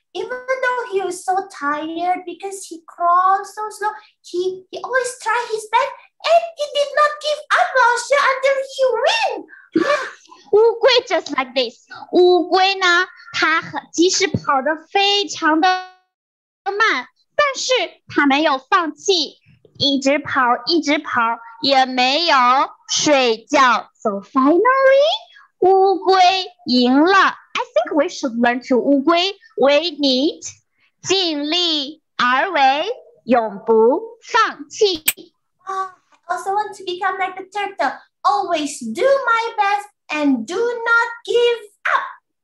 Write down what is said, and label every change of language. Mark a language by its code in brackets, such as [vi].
[en] Even though he was so tired because he crawled so slow, he always tried his best and he did not give up, 老师, until he win. 乌龟 just like this. [zh] 乌龟呢,它即使跑得非常的慢,但是它没有放弃。一直跑，一直跑，也没有睡觉。 [en] So finally, [zh] 乌龟赢了。 [en] I think we should learn to 乌龟。 We need [zh] 尽力而为，永不放弃。 [en] I also want to become like the turtle. Always do my best and do not give up.